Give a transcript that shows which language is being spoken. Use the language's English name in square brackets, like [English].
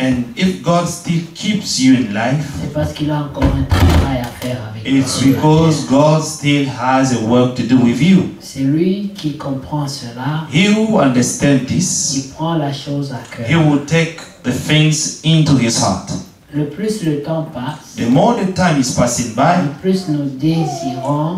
[English] and if God still keeps you in life, [French] c'est parce qu'il a encore un travail à faire avec toi. [English] It's because God still has a work to do with you. [French] C'est lui qui comprend cela. [English] He who understands this, [French] il prend la chose à cœur. [English] He will take the things into his heart. [French] Le plus le temps passe, [English] the more the time is passing by, [French] le plus nous désirons,